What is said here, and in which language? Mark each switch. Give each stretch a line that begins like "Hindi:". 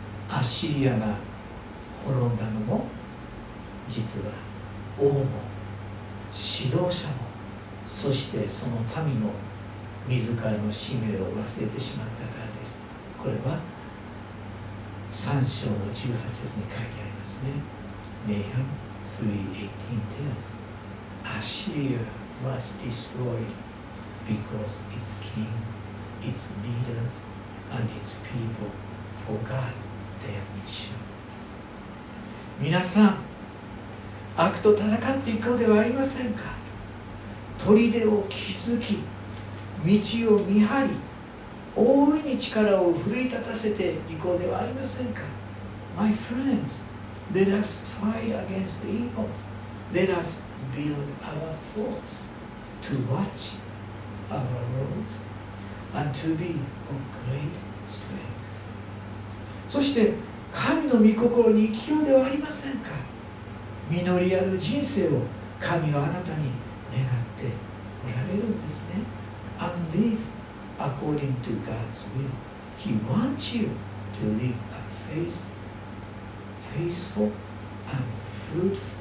Japanese: アッシリアが滅んだのも、実は王も指導者もそしてその民も自らの使命を忘れてしまったからです。これは3章の18節に書いてありますね。
English: Nahum 3:18 tells, Assyria was destroyed because its king, its leaders, and its people forgot their mission.
Japanese: 皆さん、悪と戦っていこうではありませんか。砦を築き、道を見張り、大いに力を奮い立たせていこうではありませんか。
English: My friends, let us fight against evil. Let us build our forts to watch our roads and to be of great strength.
Japanese: そして神の御心に生きようではありませんか。実りある人生を神はあなたに願っておられるんですね。
English: And live according to God's will. He wants you to live a faithful and fruitful life.